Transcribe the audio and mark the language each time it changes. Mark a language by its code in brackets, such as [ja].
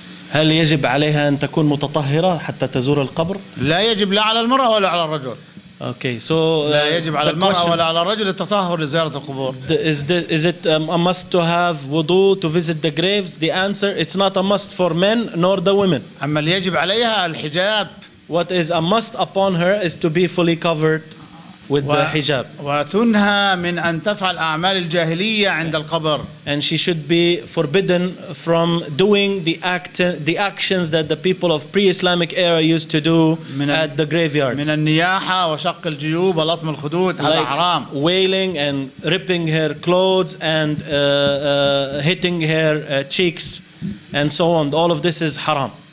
[ar] هل يجب عليها أن تكون متطهرة حتى تزور القبر؟ لا يجب لا على المرأة ولا على الرجل. [en] Okay, so [ar] لا يجب على المرأة ولا على الرجل التطهر لزيارة القبور. [en] Is it a must to have wudu to visit the graves? The answer, it's not a must for men nor the women. [ar] أما يجب عليها الحجاب. [en] What is a must upon her is to be fully covered with the hijab. [ar] وتنهى من أن تفعل أعمال الجاهلية عند القبر. [en] And she should be forbidden from doing the actions that the people of pre-Islamic era used to do at the graveyards. [ar] من النياحة وشق الجيوب ولطم الخدود على الأعرام. [en] Like wailing and ripping her clothes and hitting her cheeks and so on. All of this is haram.